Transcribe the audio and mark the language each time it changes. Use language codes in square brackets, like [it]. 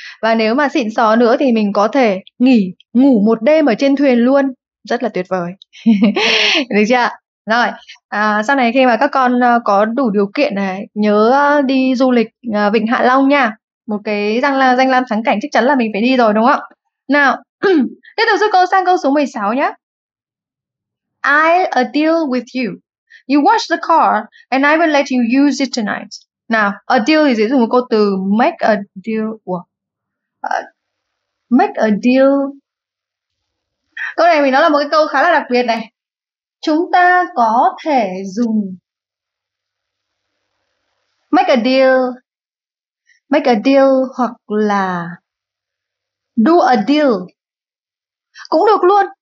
[vi] Và nếu mà xịn sò nữa thì mình có thể nghỉ ngủ một đêm ở trên thuyền luôn. Rất là tuyệt vời. Được chưa ạ? Rồi, sau này khi mà các con có đủ điều kiện này, nhớ đi du lịch vịnh Hạ Long nha. Một cái danh lam thắng cảnh chắc chắn là mình phải đi rồi đúng không? Nào, tiếp tục giúp cô sang câu số 16 nhé. [en] I'll deal with you. You wash the car and I will let you use it tonight. Now, a deal [vi] thì dễ dùng một câu từ [en] make a deal. Make a deal. [vi] Câu này mình nói là một cái câu khá là đặc biệt này. Chúng ta có thể dùng [en] make a deal [vi] hoặc là [en] do a deal [vi] cũng được luôn.